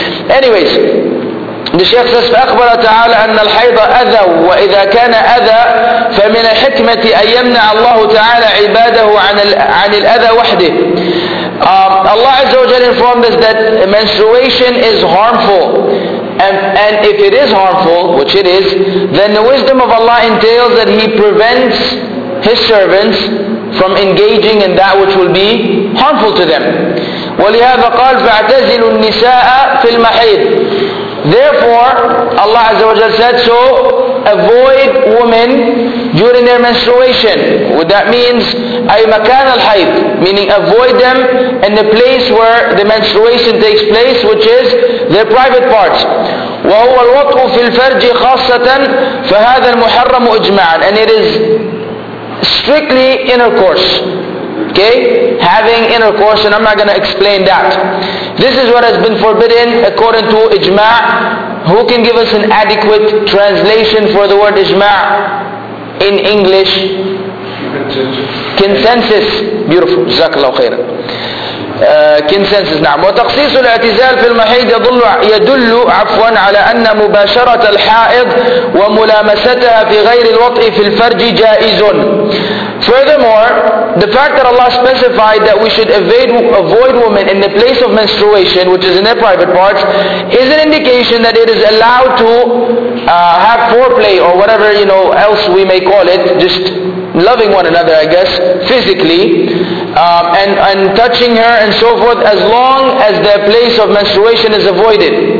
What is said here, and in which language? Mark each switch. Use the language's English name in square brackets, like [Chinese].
[English] Anyways, the Shaykh says, [Arabic] فَأَخْبَرَ تَعَالَى أَنَّ الْحَيْضَ أَذَى وَإِذَا كَانَ أَذَى فَمِنَ الْحِكْمَةِ أَنْ يَمْنَعَ اللَّهُ تَعَالَى عِبَادَهُ عَنِ الْأَذَى وَحْدِهِ. [English] Allah Azza wa Jalla informed us that menstruation is harmful. And if it is harmful, which it is, then the wisdom of Allah entails that He prevents His servants from engaging in that which will be harmful to them. [Arabic] وَلِهَذَا قَالْ فَاعْتَزِلُوا النِّسَاءَ فِي الْمَحِيضِ. [English] Therefore, Allah Azza wa Jalla said, so avoid women during their menstruation. What that means, [Arabic] أي مكان الحيض, [English] meaning avoid them in the place where the menstruation takes place, which is their private parts. [Arabic] وهو الوطء في الفرج خاصة فهذا المحرم إجماعا. [English] And it is strictly intercourse. Okay, having intercourse, and I'm not going to explain that. This is what has been forbidden according to ijma'. Who can give us an adequate translation for the word ijma' in English? Consensus. Beautiful. Jazakallahu khairan. Consensus. [Arabic] نعم. وتخصيص الاعتزال في المحيض يدل عفوا على أن مباشرة الحائض وملامستها في غير الوطء في الفرج جائز. [English] Furthermore, the fact that Allah specified that we should avoid women in the place of menstruation, which is in their private parts, is an indication that it is allowed to have foreplay or whatever, you know, else we may call it, just loving one another, I guess, physically, and touching her and so forth, as long as their place of menstruation is avoided.